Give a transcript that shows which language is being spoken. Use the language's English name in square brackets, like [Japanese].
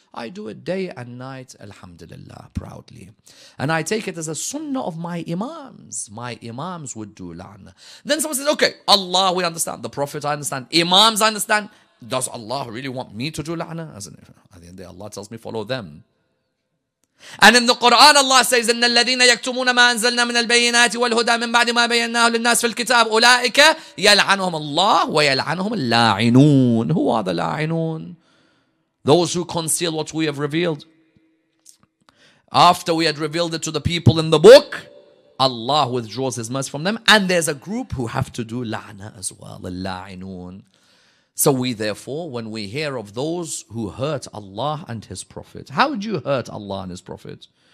[English] I do it day and night, alhamdulillah, proudly. And I take it as a sunnah of my imams. My imams would do la'na. Then someone says, okay, Allah, we understand. The Prophet, I understand. Imams, I understand. Does Allah really want me to do la'na? As in, at the end of the day, Allah tells me, follow them. And in the Quran, Allah says, [Arabic] إِنَّ الَّذِينَ يَكْتُمُونَ مَا أَنزَلْنَا مِنَ الْبَيِّنَاتِ وَالْهُدَى مِنْ بَعْدِ مَا بَيَّنَّاهُ لِلنَّاسِ فِي الْكِتَابِ أُولَٰئِكَ يَلْعَنُهُمُ اللَّهُ وَيَلْعَنُهُمُ اللَّاعِنُونَ. [English] Who are the la'inun? Those who conceal what we have revealed. After we had revealed it to the people in the book, Allah withdraws His mercy from them. And there's a group who have to do la'na as well. Al-la'inun. So we therefore, when we hear of those who hurt Allah and His Prophet, how would you hurt Allah and His Prophet?